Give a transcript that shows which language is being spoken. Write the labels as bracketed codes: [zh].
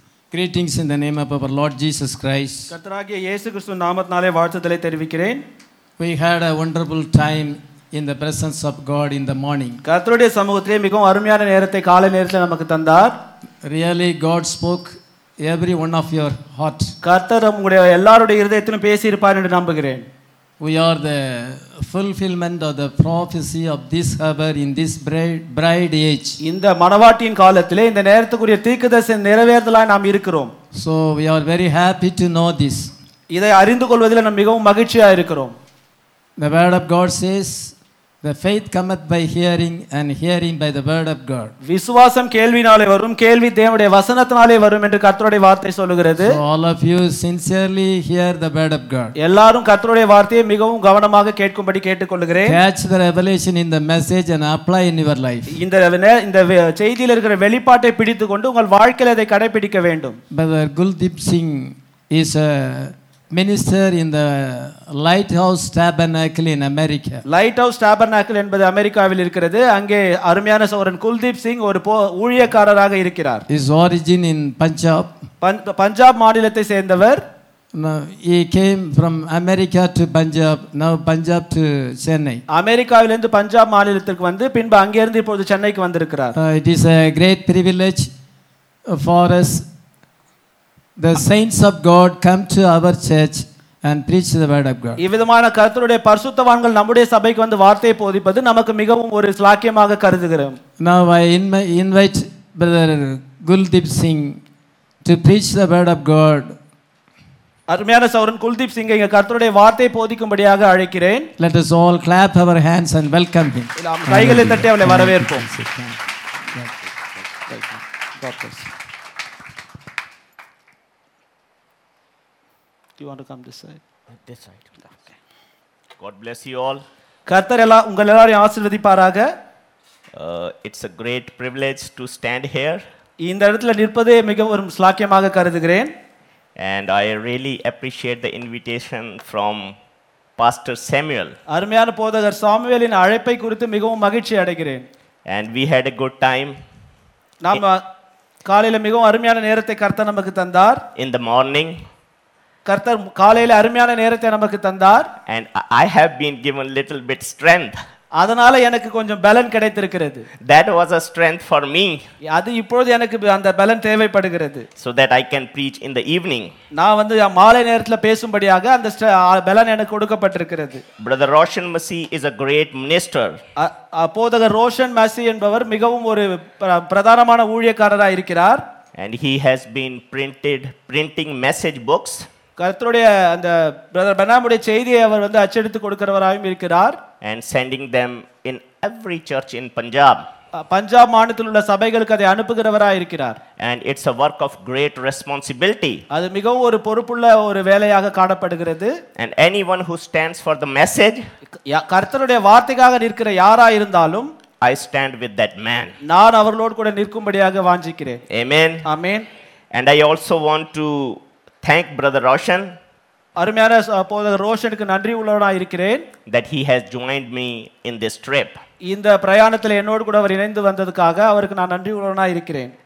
[en] Greetings in the name of our Lord Jesus Christ. [ta] கர்த்தராகிய இயேசு கிறிஸ்து நாமத்தாலே வாழ்த்துதலை தெரிவிக்கிறேன். [en] We had a wonderful time in the presence of God in the morning. [ta] கர்த்தருடைய சமூகத்திலே மிகவும் அருமையான நேரத்தை காலை நேரத்தில் நமக்கு தந்தார். [en] Really God spoke every one of your heart. [ta] கர்த்தர் உங்களுடைய எல்லாருடைய இதயத்திலும் பேசி இருப்பார் என்று நம்புகிறேன். [en] We are the fulfillment of the prophecy of this hour in this bride age. [ta] இந்த மனவாட்டியின் காலத்திலே இந்த நேரத்துக்குரிய தீர்க்கதரிசி நிறைவேறுதலாய் நாம் இருக்கிறோம். [en] So we are very happy to know this. [ta] இதை அறிந்து கொள்வதில் நாம் மிகவும் மகிழ்ச்சியாக இருக்கிறோம். [en] The word of God says the faith cometh by hearing and hearing by the word of God. [ta] விசுவாசம் கேள்வினாலே வரும், கேள்வி தேவனுடைய வசனத்தினாலே வரும் என்று கர்த்தருடைய வார்த்தை சொல்கிறது. [en] So all of you sincerely hear the word of God. [ta] எல்லாரும் கர்த்தருடைய வார்த்தையை மிகவும் கவனமாக கேட்கும்படி கேட்டுக்கொள்கிறேன். [en] Catch the revelation in the message and apply in your life. [ta] இந்த செய்தியில் இருக்கிற வெளிப்பாட்டை பிடித்துக்கொண்டு உங்கள் வாழ்க்கையில் அதை கடைபிடிக்க வேண்டும். [en] Brother Kuldeep Singh is a minister in the lighthouse tabernacle in America. [ta] Lighthouse tabernacle என்பது அமெரிக்காவில் இருக்கிறது. அங்கே அருமையான சகோதரன் குல்தீப் சிங் ஒரு ஊழியக்காரராக இருக்கிறார். [en] His origin in Punjab. [ta] Punjab மாநிலத்தை சேர்ந்தவர். [en] He came from America to Punjab, now Punjab to Chennai. [ta] அமெரிக்காவிலிருந்து பஞ்சாப் மாநிலத்திற்கு வந்து பின்பு அங்கிருந்து இப்போது சென்னைக்கு வந்திருக்கிறார். [en] It is a great privilege for us. The saints of God come to our church and preach the word of God. [ta] இவ்விதமான கர்த்தருடைய பரிசுத்தவான்கள் நம்முடைய சபைக்கு வந்து வார்த்தையை போதிப்பது நமக்கு மிகவும் ஒரு சௌக்கியமாக கருதுகிறோம். [en] Now I invite Brother Kuldeep Singh to preach the word of God. [ta] அருமையான சகோதரன் குல்தீப் சிங் இங்கே கர்த்தருடைய வார்த்தையை போதிக்கும்படியாக அழைக்கிறேன். [en] Let us all clap our hands and welcome him. [ta] கைகளை தட்டி அவளை வரவேற்போம். [en] Do you want to come this side? This side. Okay. God bless you all. [ta] கர்த்தர் எல்லாரும் உங்கள் எல்லாரையும் ஆசீர்வதிப்பாராக. [en] It's a great privilege to stand here. [ta] இந்த இடத்துல நிற்பதே மிகவும் சௌக்கியமாக கருதுகிறேன். [en] And I really appreciate the invitation from Pastor Samuel. [ta] அருமையான போதகர் சாமுவேலின் அழைப்பை குறித்து மிகவும் மகிழ்ச்சி அடைகிறேன். [en] And we had a good time. [ta] நாம் காலையில மிகவும் அருமையான நேரத்தை கர்த்தர் நமக்கு தந்தார். [en] In the morning. [ta] கர்த்தர் காலையில அருமையான நேரத்தை நமக்கு தந்தார். [en] And I have been given little bit strength. [ta] அதனால எனக்கு கொஞ்சம் பலன் கிடைத்திருக்கிறது. [en] That was a strength for me. [ta] அது இப்போது எனக்கு அந்த பலன் தேவைப்படுகிறது. [en] So that I can preach in the evening. [ta] நான் வந்து மாலை நேரத்துல பேசும்படியாக அந்த பலன் எனக்கு கொடுக்கப்பட்டிருக்கிறது. [en] Brother Roshan Massey is a great minister. [ta] அப்போதகர் Roshan மசி என்பவர் மிகவும் ஒரு பிரதானமான ஊழியக்காரராக இருக்கிறார். [en] And he has been printing message books. [ta] கர்த்தருடைய அந்த பிரதர் பெனாமுடைய செய்தியை அவர் வந்து அச்சடித்து கொடுக்கிறவராகவும் இருக்கிறார். [en] And sending them in every church in Punjab. [ta] Punjab மாநிலத்தில் உள்ள சபைகளுக்கு அதை அனுப்புகிறவராக இருக்கிறார். [en] And it's a work of great responsibility. [ta] அது மிகவும் ஒரு பொறுப்புள்ள ஒரு வேலையாக காணப்படுகிறது. [en] And anyone who stands for the message. [ta] கர்த்தருடைய வார்த்தைக்காக நிற்கிற யாராக இருந்தாலும் [en] I stand with that man. [ta] நான் அவர்களோடு கூட நிற்கும்படியாக வாஞ்சிக்கிறேன். [en] Amen. Amen. And I also want to thank brother Roshan. [ta] அருமையான போதகர் ரோஷனுக்கு நன்றி உள்ளவனாய் இருக்கிறேன். [en] That he has joined me in this trip. [ta] இந்த பிரயாணத்தில் என்னோடு கூட அவர் இணைந்து வந்ததற்காக அவருக்கு நான் நன்றி உள்ளவனாய் இருக்கிறேன்.